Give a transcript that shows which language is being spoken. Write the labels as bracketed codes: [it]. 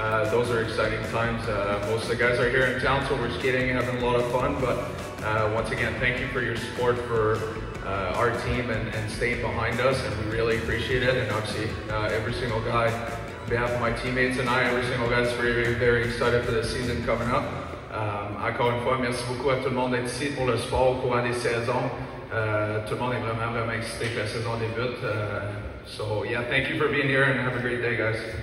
[en] Those are exciting times. Most of the guys are here in town, so we're skating and having a lot of fun. But once again, thank you for your support for our team and staying behind us. And we really appreciate it. And obviously, every single guy, on behalf of my teammates and I, every single guy is very, very, very excited for the season coming up. [fr] Encore une fois, merci beaucoup à tout le monde d'être ici pour le sport au courant des saisons. Tout le monde est vraiment, vraiment excité que la saison débute. [en] So yeah, thank you for being here and have a great day, guys.